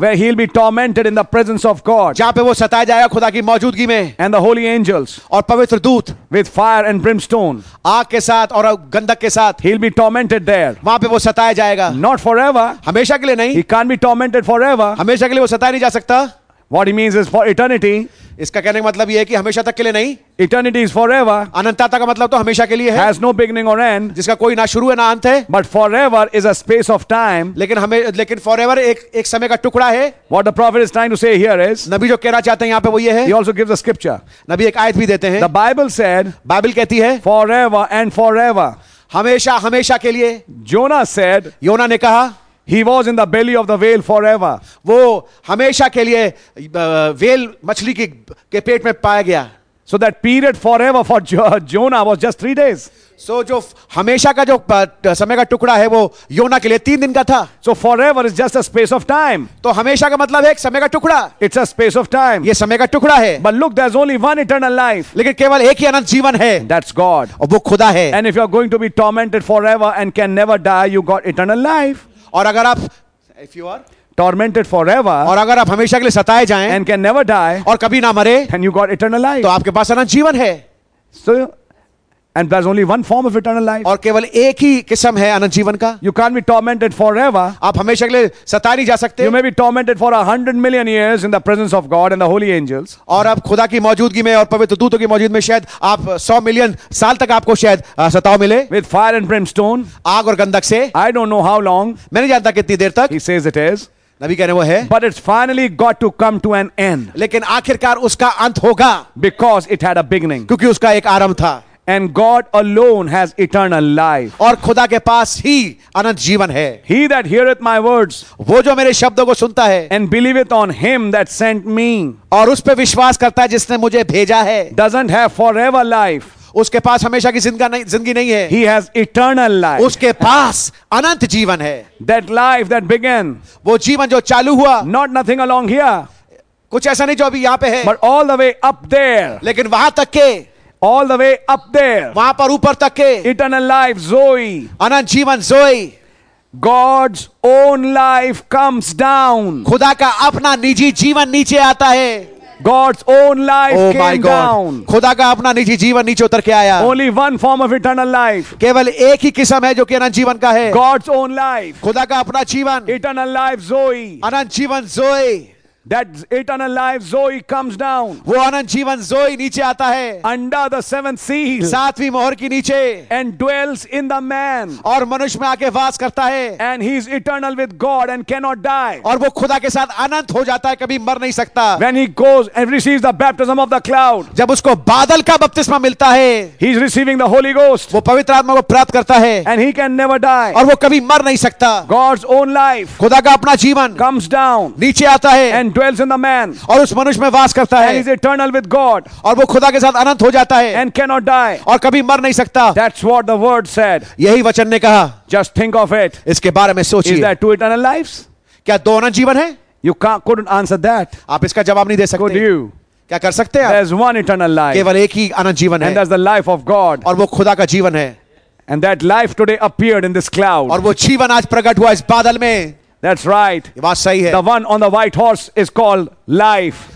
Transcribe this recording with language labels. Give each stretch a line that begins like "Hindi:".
English: Where he'll be tormented in the presence of God.
Hindi: जहां पे वो सताया जाएगा खुदा की मौजूदगी में.
English: And the holy angels.
Hindi: और पवित्र दूत.
English: With fire and brimstone.
Hindi: आग के साथ और गंधक के साथ.
English: He'll be tormented.
Hindi: वहाँ पे वो सताया जाएगा.
English: Not forever.
Hindi: हमेशा के लिए नहीं.
English: He can't be tormented forever.
Hindi: हमेशा के लिए वो सताया नहीं जा सकता.
English: What he means is for eternity.
Hindi: इसका कहने का मतलब ये है कि हमेशा तक के लिए नहीं.
English: Eternity is forever.
Hindi: अनंतता का मतलब तो हमेशा के लिए है.
English: Has no beginning or end.
Hindi: जिसका कोई ना शुरू है ना अंत है.
English: But forever is a space of time.
Hindi: लेकिन forever एक समय का टुकड़ा है.
English: What the prophet is trying to say here is.
Hindi: नबी जो कहना चाहते हैं यहाँ पे वो ये है.
English: He also gives a scripture.
Hindi: नबी एक आयत भी देते हैं.
English: The Bible said.
Hindi: बाइबल कहती है.
English: Forever and forever.
Hindi: हमेशा हमेशा के लिए.
English: Jonah said.
Hindi: योना ने कहा.
English: He was in the belly of the whale forever.
Hindi: वो हमेशा के लिए whale मछली के पेट में पाया गया.
English: So that period forever for Jonah was just 3 days.
Hindi: So जो हमेशा का जो समय का टुकड़ा है वो योना के लिए 3 दिन का था.
English: So forever is just a space of time.
Hindi: तो हमेशा का मतलब है एक समय का टुकड़ा.
English: It's a space of time.
Hindi: ये समय का टुकड़ा है.
English: But look, there's only one eternal life.
Hindi: लेकिन केवल एक ही अनंत जीवन है.
English: That's God.
Hindi: और वो खुदा है.
English: And if you're going to be tormented forever and can never die, you got eternal life.
Hindi: और अगर आप
English: if you are tormented forever
Hindi: और अगर आप हमेशा के लिए सताए जाएं
English: and can never die
Hindi: और कभी ना मरे
English: then you got eternal life
Hindi: तो आपके पास अनंत जीवन है.
English: So and there's only one form of eternal life
Hindi: और केवल एक ही किस्म है अनंत जीवन का.
English: You can't be tormented forever
Hindi: आप हमेशा के लिए सताए नहीं जा सकते.
English: You may be tormented for 100 million years in the presence of God and the holy angels
Hindi: और आप खुदा की मौजूदगी में और पवित्र दूतों की मौजूदगी में शायद आप 100 million साल तक आपको शायद सताव मिले.
English: With fire and brimstone
Hindi: आग और गंधक से.
English: I don't know how long
Hindi: मैं नहीं जानता कितनी देर तक.
English: He says it is
Hindi: नबी कह रहे वो है.
English: But it's finally got to come to an end
Hindi: लेकिन आखिरकार उसका अंत होगा.
English: Because it had a beginning
Hindi: क्योंकि उसका एक आरंभ था.
English: And God alone has eternal life.
Hindi: और खुदा के पास ही अनंत जीवन है.
English: He that heareth my words,
Hindi: वो जो मेरे शब्दों को सुनता है.
English: And believeth on him that sent me,
Hindi: और उस पे विश्वास करता है जिसने मुझे भेजा है.
English: Doesn't have forever life,
Hindi: उसके पास हमेशा की जिंदगी नहीं है.
English: He has eternal life,
Hindi: उसके पास अनंत जीवन है.
English: That life that began,
Hindi: वो जीवन जो चालू हुआ.
English: Not nothing along here,
Hindi: कुछ ऐसा नहीं जो अभी यहाँ पे है.
English: But all the way up there,
Hindi: लेकिन वहां तक के.
English: All the way up there,
Hindi: वहां पर ऊपर तक के.
English: Eternal life, Zoe,
Hindi: अनंत जीवन, Zoe.
English: God's own life comes down,
Hindi: खुदा का अपना निजी जीवन नीचे आता है.
English: God's own life oh came my God. down,
Hindi: खुदा का अपना निजी जीवन नीचे उतर के आया.
English: Only one form of eternal life,
Hindi: केवल एक ही किस्म है जो कि अनंत जीवन का है.
English: God's own life,
Hindi: खुदा का अपना जीवन.
English: Eternal life, Zoe,
Hindi: अनंत जीवन, Zoe.
English: That eternal life, Zoe, comes down.
Hindi: वो अनंत जीवन Zoe नीचे आता है.
English: Under the seventh seal,
Hindi: सातवीं मोहर की नीचे.
English: And dwells in the man,
Hindi: और मनुष्य में आके वास करता है.
English: And he is eternal with God and cannot die,
Hindi: और वो खुदा के साथ अनंत हो जाता है, कभी मर नहीं सकता.
English: When he goes and receives the baptism of the cloud,
Hindi: जब उसको बादल का बपतिस्मा मिलता है.
English: He is receiving the Holy Ghost,
Hindi: वो पवित्र आत्मा को प्राप्त करता है.
English: And he can never die,
Hindi: और वो कभी मर नहीं सकता.
English: God's own life,
Hindi: खुदा का अपना जीवन,
English: comes down,
Hindi: नीचे आता है.
English: And dwells in the man,
Hindi: और उस मनुष्य में वास करता है.
English: He is eternal with God,
Hindi: और वो खुदा के साथ अनंत हो जाता है.
English: And cannot die,
Hindi: और कभी मर नहीं सकता.
English: That's what the word said,
Hindi: यही वचन ने कहा.
English: Just think of it,
Hindi: इसके बारे में सोचिए.
English: Is there two eternal lives?
Hindi: क्या दो अनंत जीवन है?
English: You couldn't answer that,
Hindi: आप इसका जवाब नहीं दे सकते.
English: Could you?
Hindi: क्या कर सकते हैं?
English: There's one eternal life,
Hindi: केवल एक ही अनंत जीवन है.
English: And that's the life of God,
Hindi: और वो खुदा का जीवन है.
English: And that life today appeared in this cloud,
Hindi: और वो जीवन आज प्रकट हुआ इस बादल में.
English: That's right.
Hindi: ये बात सही है.
English: The one on the white horse is called life.